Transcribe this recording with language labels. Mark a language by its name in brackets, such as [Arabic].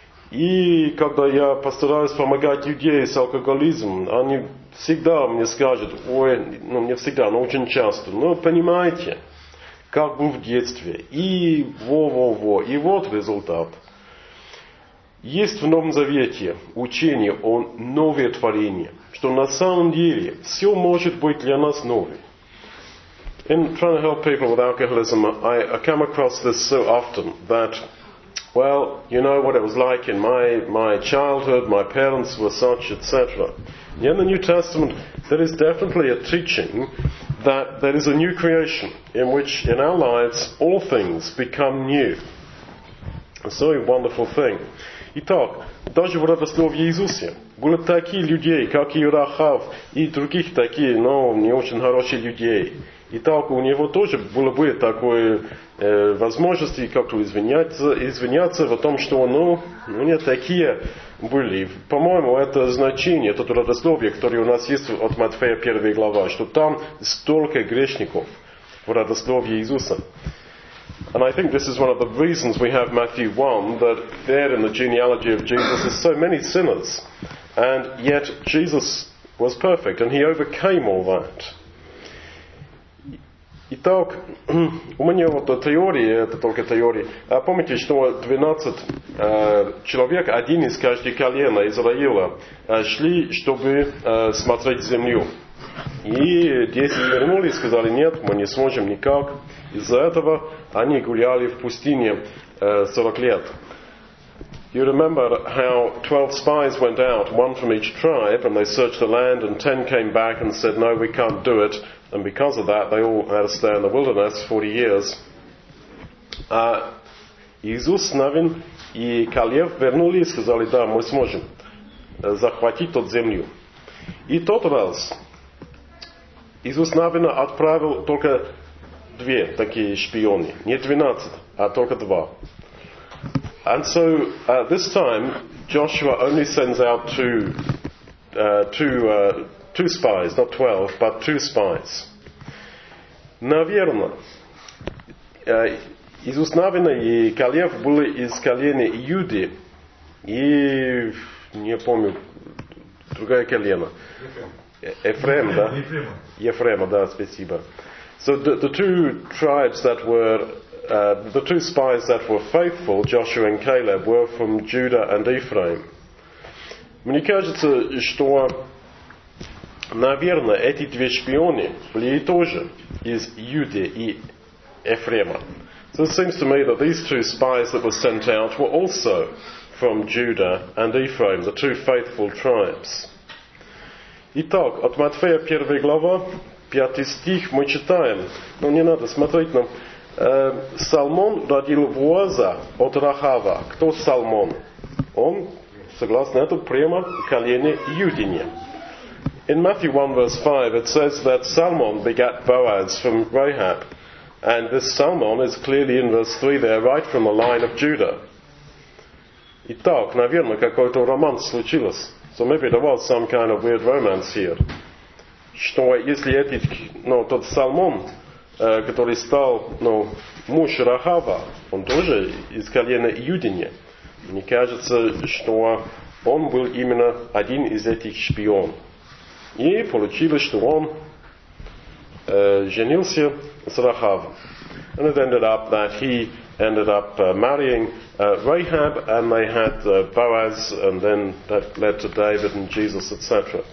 [Russian] И когда я постараюсь помогать людей с алкоголизмом, они всегда мне скажут, ой, ну не всегда, но очень часто, ну понимаете, как был в детстве, и во-во-во, и вот результат. Есть в Новом Завете учение о новом творении, что на самом деле все может быть для нас новым. [English] In trying to help people with alcoholism, I come across this so often, that well, you know what it was like in my childhood, my parents were such, etc. In the New Testament, there is definitely a teaching that there is a new creation in which in our lives all things become new. It's a very wonderful thing. [Russian] Итак, даже в родословии Иисусе были такие людей, как и Рахав, и других такие, но не очень хорошие людей. Итак, у него тоже было бы такое возможности как-то извиняться в том, что не такие были. По-моему, это значение, это родословие, которое у нас есть от Матфея 1 глава, что там столько грешников в родословии Иисуса. [English] And I think this is one of the reasons we have Matthew 1, that there in the genealogy of Jesus is so many sinners. And yet Jesus was perfect, and he overcame all that. [Russian] Итак, у меня вот теория, это только теория. Помните, что 12 человек, один из каждой колена Израиля, шли, чтобы смотреть землю. И 10 вернулись и сказали, нет, мы не сможем никак. Из-за этого они гуляли в пустыне 40 лет. [English] You remember how 12 spies went out, one from each tribe, and they searched the land, and 10 came back and said, no, we can't do it. And because of that, they all had to stay in the wilderness 40 years. [Russian] Иисус, Навин и Калев вернулись и сказали, да, мы сможем захватить тот землю. И тот раз, Иисус Навин отправил только две такие шпионы. Не 12, а только два. [English] And so this time Joshua only sends out two spies, not 12, but two spies. [Russian] Наверное, Иисус Навин и Калев были из колена Иуды, и не помню, другое колено. Ефрем, да? Ефрема, да, спасибо. [English] So the two tribes that were the two spies that were faithful, Joshua and Caleb, were from Judah and Ephraim. [Russian] Мне кажется, что, наверное, эти две шпионы были тоже из Иуды и Ефрема. [English] So it seems to me that these two spies that were sent out were also from Judah and Ephraim, the two faithful tribes. [Russian] Итак, от Матфея 1 глава, 5 стих, мы читаем. Ну, не надо смотреть нам. Соломон родил Боаза от Рахава. Кто Соломон? Он, согласно этому, прямо колено Иудине. [English] In Matthew 1, verse 5, it says that Salmon begat Boaz from Rahab. And this Salmon is clearly in verse 3 there, right from the line of Judah. [Russian] Итак, наверное, какой-то роман случился. [English] So maybe there was some kind of weird romance here. [Russian] Что если этот, ну, тот Салмон, который стал, ну, муж Рахава, он тоже из колена Иудине, мне кажется, что он был именно один из этих шпион. И получилось, что он женился с Рахавом. [English] And it ended up that he ended up marrying Rahab, and they had Boaz, and then that led to David and Jesus, etc.